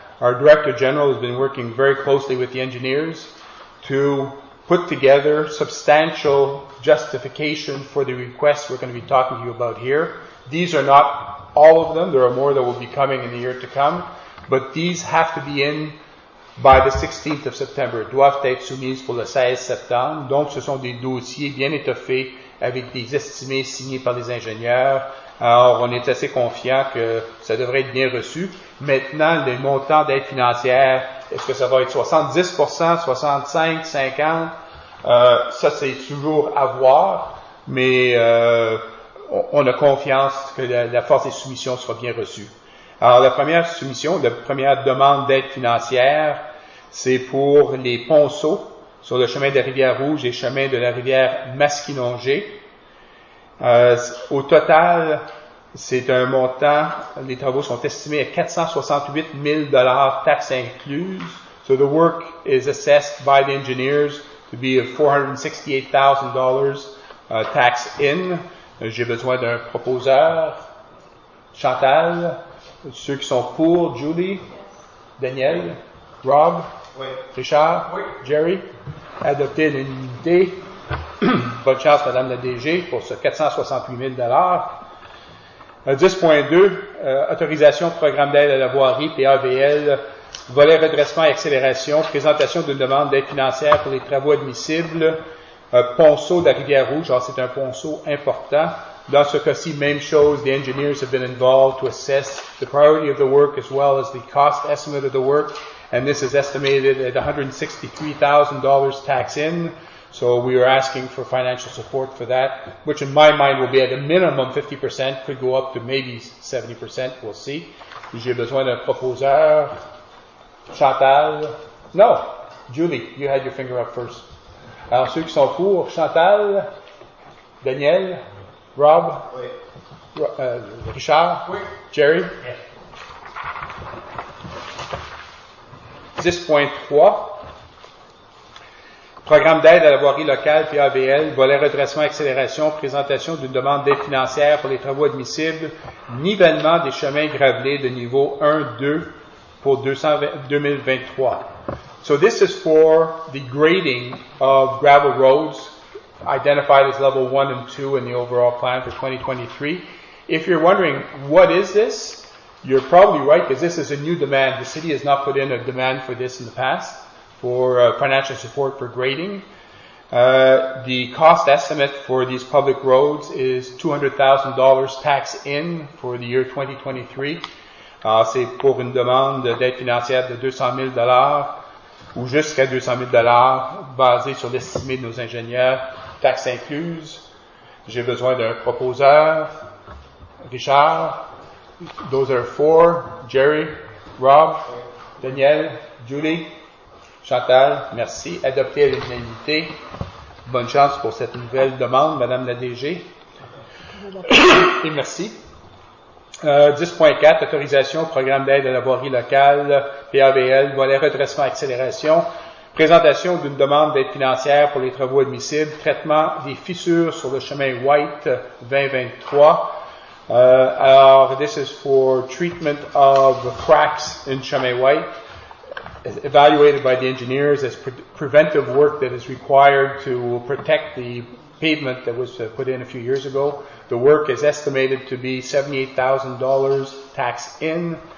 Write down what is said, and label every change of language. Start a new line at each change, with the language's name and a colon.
English: Our Director General has been working very closely with the engineers to put together substantial justification for the requests we're going to be talking to you about here. These are not all of them. There are more that will be coming in the year to come. But these have to be in by the 16th of September.
French: Doivent être soumises pour le 16 septembre. Donc, ce sont des dossiers bien étoffés avec des estimés signés par les ingénieurs. Alors, on est assez confiant que ça devrait être bien reçu. Maintenant, les montants d'aide financière, est-ce que ça va être 70%, 65%, 50%? Ça, c'est toujours à voir, mais on a confiance que la force des soumissions sera bien reçue. Alors, la première soumission, la première demande d'aide financière, c'est pour les ponceaux sur le chemin de la rivière Rouge et chemin de la rivière Masquinongée. Au total, c'est un montant, les travaux sont estimés à 468 000 $ taxes incluses.
English: So the work is assessed by the engineers to be $468,000 tax in.
French: J'ai besoin d'un proposeur. Chantal, ceux qui sont pour, Julie, Daniel, Rob, oui. Richard, oui. Jerry, adopté à l'unanimité. Bonne chance, Madame la DG, pour ce 468 000 $ 10.2, autorisation programme d'aide à la voirie, PAVL, volet redressement et accélération, présentation d'une demande d'aide financière pour les travaux admissibles, ponceau de la rivière Rouge, alors c'est un ponceau important. Dans ce cas-ci, même chose,
English: the engineers have been involved to assess the priority of the work as well as the cost estimate of the work, and this is estimated at $163,000 tax in. So we are asking for financial support for that, which in my mind will be at a minimum 50%, could go up to maybe 70%, we'll see.
French: J'ai besoin d'un proposeur. Chantal?
English: No, Julie, you had your finger up first.
French: Alors, ceux qui sont pour, Chantal? Daniel? Rob? Oui. Richard? Oui. Jerry?
English: Yes. 10.3.
French: Programme d'aide à la voirie locale, PAVL, volet redressement et accélération, présentation d'une demande d'aide financière pour les travaux admissibles, nivellement des chemins gravelés de niveau 1-2 pour 2023.
English: So this is for the grading of gravel roads, identified as level 1 and 2 in the overall plan for 2023. If you're wondering, what is this? You're probably right, because this is a new demand. The city has not put in a demand for this in the past. For financial support for grading. The cost estimate for these public roads is $200,000 tax in for the year 2023.
French: C'est pour une demande d'aide financière de $200,000 ou jusqu'à $200,000 basé sur l'estimé de nos ingénieurs, tax incluse. J'ai besoin d'un proposeur. Richard,
English: those are four.
French: Jerry, Rob, Daniel, Julie. Chantal, merci. Adopté à l'unanimité. Bonne chance pour cette nouvelle demande, Madame la DG. Et merci. 10.4, autorisation, programme d'aide à la voirie locale, PAVL, volet redressement accélération, présentation d'une demande d'aide financière pour les travaux admissibles, traitement des fissures sur le chemin White 2023.
English: Alors, this is for treatment of cracks in chemin White. Evaluated by the engineers as preventive work that is required to protect the pavement that was put in a few years ago. The work is estimated to be $78,000 tax in.